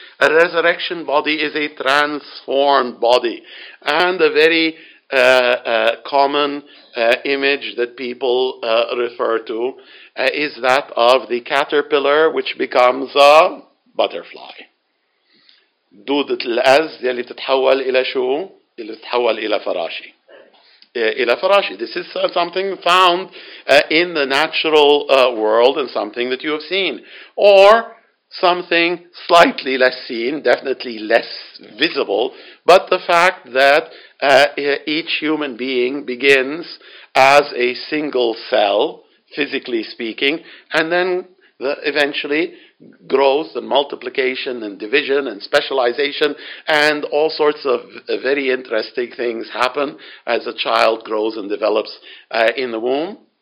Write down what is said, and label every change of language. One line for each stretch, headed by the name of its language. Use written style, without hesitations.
English: A resurrection body is a transformed body, and a very common image that people refer to is that of the caterpillar, which becomes a butterfly.
Arabic: دودة الأز يلي تتحول إلى شو؟ يلي تتحول إلى فراشي. إلى فراشي.
English: This is something found in the natural world and something that you have seen. Or something slightly less seen, definitely less visible, but the fact that each human being begins as a single cell, physically speaking, and then eventually growth and multiplication and division and specialization and all sorts of very interesting things happen as a child grows and develops in the womb.